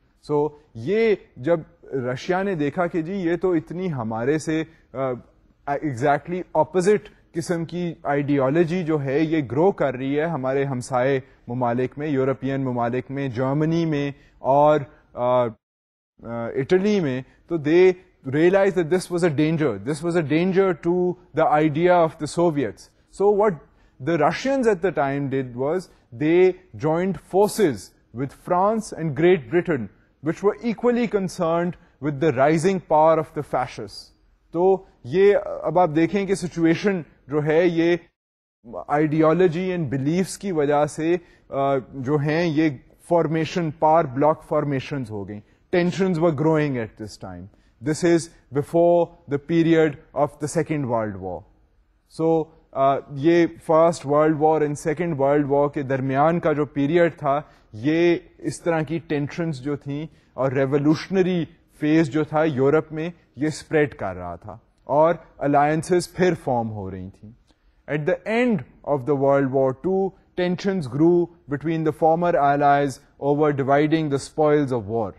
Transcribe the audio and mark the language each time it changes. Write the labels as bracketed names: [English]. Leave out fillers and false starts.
[Urdu] سو یہ جب رشیا نے دیکھا کہ جی یہ تو اتنی ہمارے سے ایگزیکٹلی اپوزٹ قسم کی آئیڈیالوجی جو ہے یہ گرو کر رہی ہے ہمارے ہمسائے ممالک میں, یورپین ممالک میں, جرمنی میں اور اٹلی میں, تو [English] They realize that this was a danger, this was a danger to the idea of the Soviets. So what the Russians at the time did was they joined forces with France and Great Britain which were equally concerned with the rising power of the fascists. [Urdu] تو یہ اب آپ دیکھیں کہ situation جو ہے یہ ideology and beliefs کی وجہ سے جو ہیں یہ فارمیشن پار بلاک فارمیشنز ہو گئیں, [English] Tensions were growing at this time. This is before the period of the second world war. [Urdu] سو یہ first world war and second world war کے درمیان کا جو پیریڈ تھا یہ اس طرح کی ٹینشنز جو تھیں اور ریولوشنری فیز جو تھا یورپ میں یہ اسپریڈ کر رہا تھا اور الائنسز پھر فارم ہو رہی تھیں. [English] At the end of the world war two tensions grew between the former allies over dividing the spoils of war.